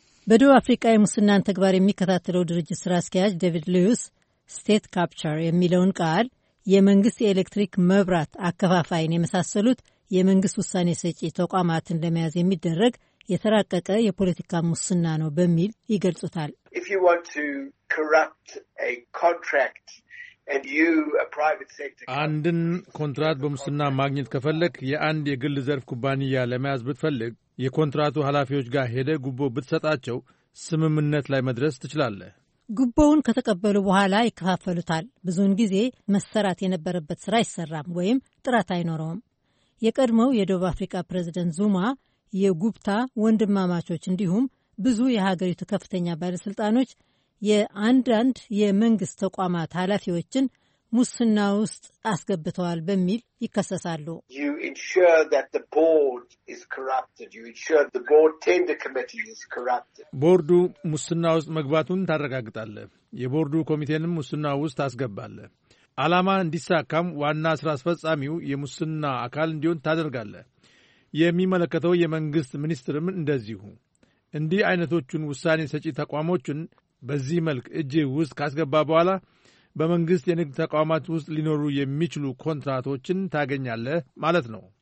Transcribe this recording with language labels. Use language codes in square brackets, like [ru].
[am] በደቡብ አፍሪቃ የሙስናን ተግባር የሚከታተለው ድርጅት ስራ አስኪያጅ ዴቪድ ሉዊስ ስቴት ካፕቸር የሚለውን ቃል የመንግስት የኤሌክትሪክ መብራት አከፋፋይን የመሳሰሉት የመንግስት ውሳኔ ሰጪ ተቋማትን ለመያዝ የሚደረግ የተራቀቀ የፖለቲካ ሙስና ነው በሚል ይገልጹታል። [en] If you want to corrupt a contract and you a private sector [am] አንድን ኮንትራክት በሙስና ማግኘት ከፈለክ፣ የአንድ የግል ዘርፍ ኩባንያ ለመያዝ ብትፈልግ፣ የኮንትራክቱ ኃላፊዎች ጋር ሄደ ጉቦ ብትሰጣቸው ስምምነት ላይ መድረስ ትችላለህ። ጉቦውን ከተቀበሉ በኋላ ይከፋፈሉታል። ብዙውን ጊዜ መሰራት የነበረበት ስራ አይሰራም ወይም ጥራት አይኖረውም። የቀድሞው የደቡብ አፍሪካ ፕሬዝዳንት ዙማ የጉፕታ ወንድማማቾች እንዲሁም ብዙ የሀገሪቱ ከፍተኛ ባለስልጣኖች የአንዳንድ የመንግስት ተቋማት ኃላፊዎችን ሙስና ውስጥ አስገብተዋል በሚል ይከሰሳሉ። [en] You ensure that the board is corrupted. You ensure the board tender committee is corrupted. [am] ቦርዱ ሙስና ውስጥ መግባቱን ታረጋግጣለህ። የቦርዱ ኮሚቴንም ሙስና ውስጥ አስገባለህ። አላማ እንዲሳካም ዋና ስራ አስፈጻሚው የሙስና አካል እንዲሆን ታደርጋለህ። የሚመለከተው የመንግስት ሚኒስትርም እንደዚሁ። እንዲህ አይነቶቹን ውሳኔ ሰጪ ተቋሞችን በዚህ መልክ እጅ ውስጥ ካስገባ በኋላ በመንግስት የንግድ ተቋማት ውስጥ ሊኖሩ የሚችሉ ኮንትራክቶችን ታገኛለህ ማለት ነው።